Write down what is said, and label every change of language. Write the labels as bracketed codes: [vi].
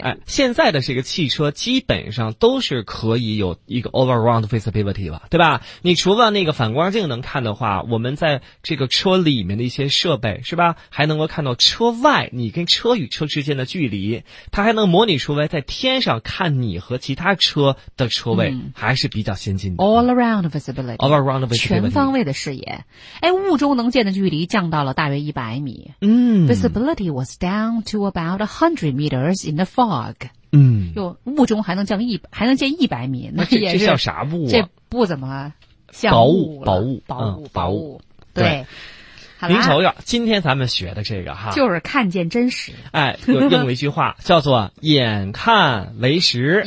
[zh] 哎、现在的这个汽车基本上都是可以有一个 all around visibility 了对吧你除了那个反光镜能看的话我们在这个车里面的一些设备是吧还能够看到车外你跟车与车之间的距离它还能模拟出来在天上看你和其他车的车位、嗯、还是比较先进的 [en] all around visibility all around visibility [zh] 全方位的视野哎，雾中能见的距离降到了大约100米嗯 [en] visibility was down to about 100meters in the fog. 嗯， [zh] 就雾中还能见一百米，那也是这叫啥雾、啊？这不怎么像雾了，薄雾。 对，好您瞅瞅，今天咱们学的这个哈，就是看见真实。哎，又用了一句话叫做“眼看为实”，